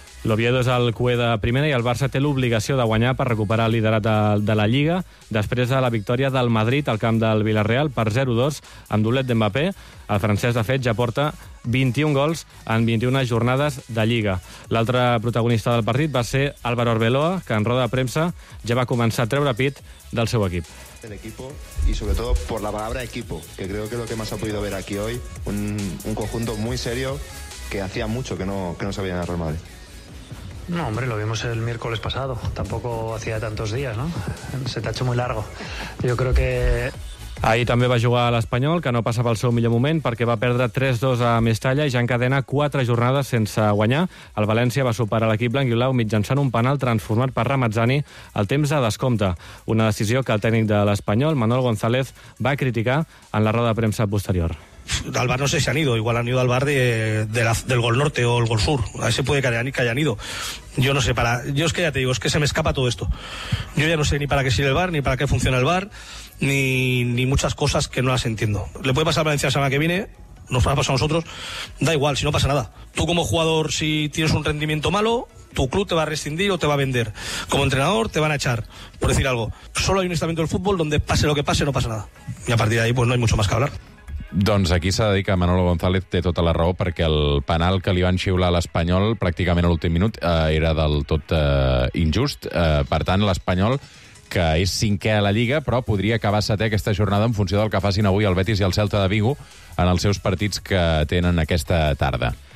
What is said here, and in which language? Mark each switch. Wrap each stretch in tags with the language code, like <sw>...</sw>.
<ca>L'Oviedo és el cué de primera i el Barça té l'obligació de guanyar per recuperar el liderat de la Lliga després de la victòria del Madrid al camp del Villarreal per 0-2 amb doblet d'Mbappé. El francès, de fet, ja porta 21 gols en 21 jornades de Lliga. L'altre protagonista del partit va ser Álvaro Arbeloa, que en roda de premsa ja va començar a treure pit del seu equip.</ca> <es>El equipo y sobre todo por la palabra equipo, que creo que es lo que más ha podido ver aquí hoy, un conjunto muy serio que hacía mucho que no sabía nada Real Madrid. No, hombre, lo vimos el miércoles pasado, tampoco hacía tantos días, ¿no? Se te ha hecho muy largo. Yo creo que...</es> <ca>Ahir també va jugar a l'Espanyol, que no passava el seu millor moment perquè va perdre 3-2 a Mestalla i ja encadena 4 jornades sense guanyar. El València va superar l'equip blanc-i-blau mitjançant un penal transformat per Ramazzani al temps de descompte. Una decisió que el tècnic de l'Espanyol, Manuel González, va criticar en la roda de premsa posterior.</ca> <es>Al bar no sé si han ido, igual han ido al bar del gol norte o el gol sur, a ese puede que hayan ido. Yo no sé, yo es que ya te digo, es que se me escapa todo esto. Yo ya no sé ni para qué sirve el bar, ni para qué funciona el bar, ni muchas cosas que no las entiendo. Le puede pasar a Valencia la semana que viene, nos va a pasar a nosotros, da igual, si no pasa nada. Tú como jugador, si tienes un rendimiento malo, tu club te va a rescindir o te va a vender. Como entrenador, te van a echar, por decir algo. Solo hay un estamento del fútbol donde pase lo que pase, no pasa nada. Y a partir de ahí, pues no hay mucho más que hablar.</es> <ca>Doncs aquí s'ha de dir que Manolo González té tota la raó, perquè el penal que li van xiular a l'Espanyol pràcticament a l'últim minut era del tot injust. Per tant, l'Espanyol, que és cinquè a la Lliga, però podria acabar setè aquesta jornada en funció del que facin avui el Betis i el Celta de Vigo en els seus partits que tenen aquesta tarda.</ca>